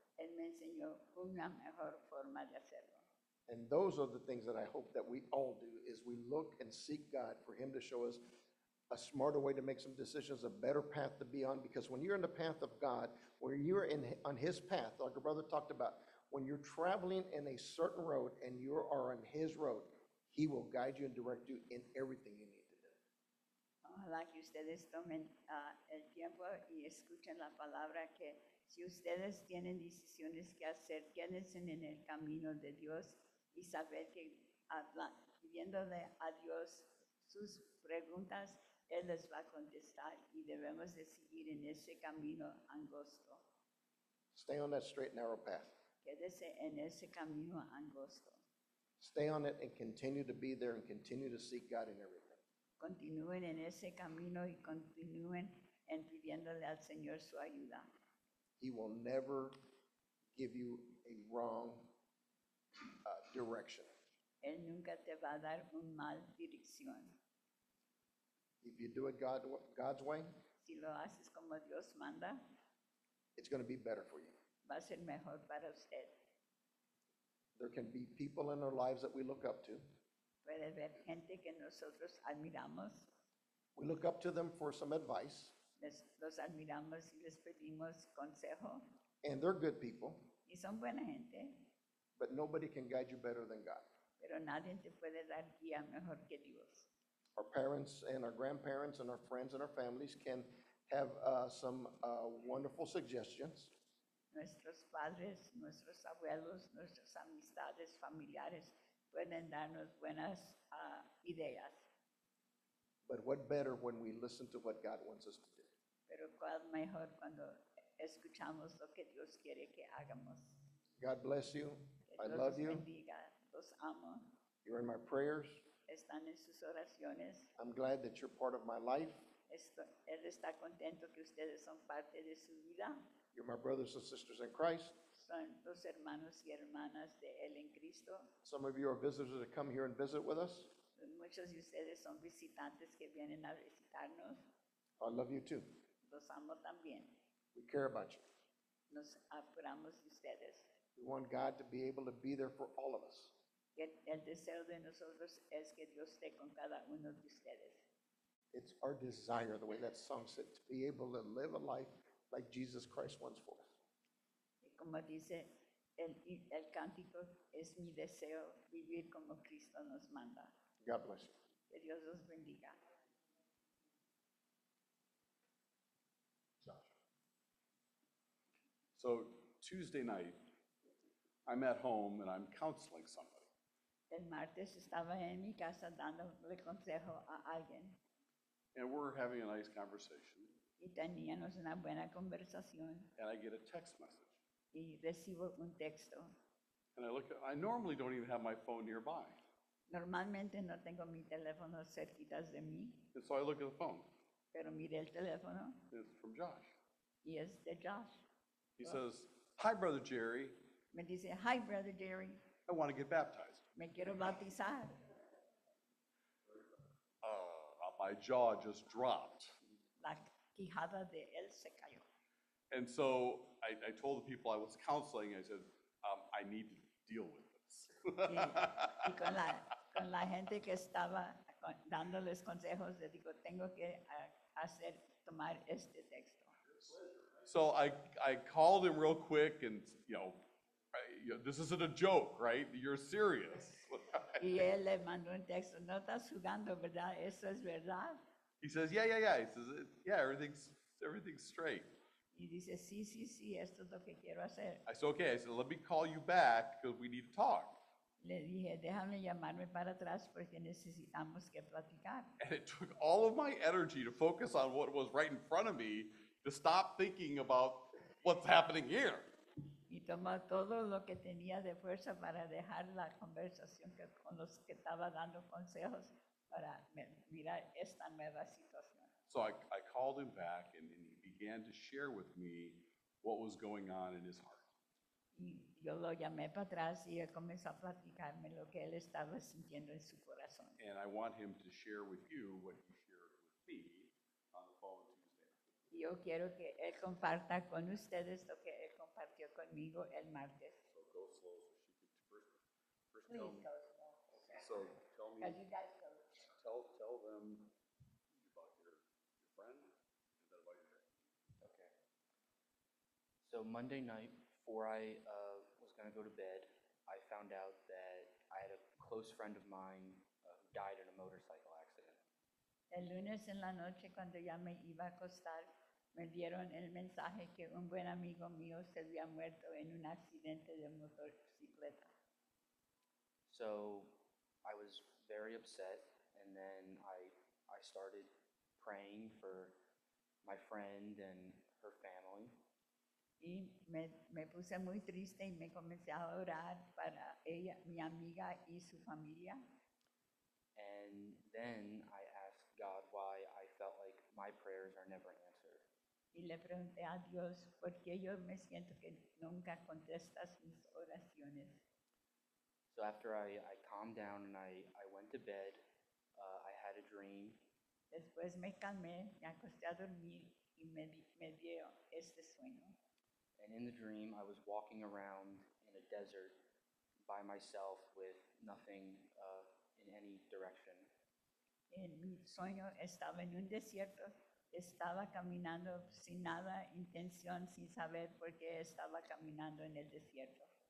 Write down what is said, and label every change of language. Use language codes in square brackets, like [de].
[es] Él me enseñó una mejor forma de hacerlo. [en] And those are the things that I hope that we all do, is we look and seek God for him to show us a smarter way to make some decisions, a better path to be on. Because when you're in the path of God, when you're on his path, like your brother talked about, when you're traveling in a certain road and you are on his road, he will guide you and direct you in everything you need to do. [es] Ojalá que ustedes tomen el tiempo y escuchen la palabra que si ustedes tienen decisiones que hacer, quédense en el camino de Dios y saber que viéndole a Dios sus preguntas, Él les va a contestar y debemos de seguir en ese camino angosto. [en] Stay on that straight and narrow path. [es] Quédese en ese camino angosto. [en] Stay on it and continue to be there and continue to seek God in everything. [es] Continúen en ese camino y continúen en pidiéndole al Señor su ayuda. [en] He will never give you a wrong direction. [es] Él nunca te va a dar un mal dirección. [en] If you do it God's way, [es] si lo haces como Dios manda, [en] it's going to be better for you. [es] Va a ser mejor para usted. [en] There can be people in our lives that we look up to. [es] Puede haber gente que nosotros admiramos. [en] We look up to them for some advice. [es] Los admiramos y les pedimos consejo. [en] And they're good people. [es] Y son buena gente. [en] But nobody can guide you better than God. [es] Pero nadie te puede dar guía mejor que Dios. [en] Our parents and our grandparents and our friends and our families can have wonderful suggestions. [es] Nuestros padres, nuestros abuelos, nuestras amistades familiares pueden darnos buenas ideas. [en] But what better when we listen to what God wants us to do? [es] Pero cuál mejor cuando escuchamos lo que Dios quiere que hagamos. [en] God bless you. I love you. [es] Bendiga. Los amo. [en] You're in my prayers. [es] Están en sus oraciones. [en] I'm glad that you're part of my life. [es] Él está contento que ustedes son parte de su vida. [en] You're my brothers and sisters in Christ. [es] Son los hermanos y hermanas de él en Cristo. [en] Some of you are visitors that come here and visit with us. [es] Muchos de ustedes son visitantes que vienen a visitarnos. [en] I love you too. [es] Los amo también. [en] We care about you. [es] Nos apuramos de ustedes. [en] We want God to be able to be there for all of us. [es] El deseo de nosotros es que Dios esté con cada uno de ustedes. [en] It's our desire, the way that song said, to be able to live a life like Jesus Christ wants for us. [es] Y como dice el cántico, es mi deseo vivir como Cristo nos manda. [en] God bless you. [es] Que Dios los bendiga. [en] Josh. So, Tuesday night, I'm at home and I'm counseling somebody. [es] El martes estaba en mi casa dándole consejo a alguien. [en] And we're having a nice conversation. [es] Y teníamos una buena conversación. [en] And I get a text message. [es] Y recibo un texto. [en] And I look at, I normally don't even have my phone nearby. [es] Normalmente no tengo mi teléfono cerquita de mí. [en] And so I look at the phone. [es] Pero miré el teléfono. [en] It's from Josh. [es] Y es de Josh. [en] He says, "Hi, Brother Jerry." [es] Me dice, [en] "Hi, Brother Jerry." I want to get baptized. [es] Me quiero bautizar. [en] My jaw just dropped. [es] La quijada de él se cayó. [en] And so I told the people I was counseling, I said, I need to deal with this. [es] Y con la gente que estaba dándoles consejos, le digo, tengo que hacer tomar este texto. [en] So I called him real quick and, you know, this isn't a joke, right? You're serious. [es] Y él le mandó un texto. No estás jugando, ¿verdad? Eso es verdad. [en] He says, yeah. He says, yeah, everything's straight. [es] Y dice, sí, esto es lo que quiero hacer. [en] I said, okay. I said, let me call you back because we need to talk. [es] Le dije, déjame llamarme para atrás porque necesitamos que platicar. [en] And it took all of my energy to focus on what was right in front of me to stop thinking about what's happening here. [es] Y tomó todo lo que tenía de fuerza para dejar la conversación con los que estaba dando consejos para mirar esta nueva situación. [en] So I called him back and he began to share with me what was going on in his heart. [es] Y yo lo llamé para atrás y él comenzó a platicarme lo que él estaba sintiendo en su corazón. [en] And I want him to share with you what he shared with me on the phone Tuesday. [es] Y yo quiero que él comparta con ustedes lo que él partió conmigo el martes. [en] So go slow so she can first tell me. So tell me. You guys go. Tell them about your friend and then about your day. Okay. So Monday night, before I was going to go to bed, I found out that I had a close friend of mine who died in a motorcycle accident. [es] El lunes en la noche cuando ya me iba a acostar, me dieron el mensaje que un buen amigo mío se había muerto en un accidente de motocicleta. [en] So, I was very upset, and then I started praying for my friend and her family. [es] Y me puse muy triste y me comencé a orar para ella, mi amiga y su familia. [en] And then I asked God why I felt like my prayers are never answered. [es] Y le pregunté a Dios por qué yo me siento que nunca contestas mis oraciones. [en] So after I calmed down and I went to bed, I had a dream. [es] Después me calmé, me acosté a dormir y me dio este sueño. [en] And in the dream, I was walking around in a desert by myself with nothing in any direction. [es] En mi sueño estaba en un desierto, estaba caminando sin nada, intención, sin saber por qué estaba caminando en el desierto.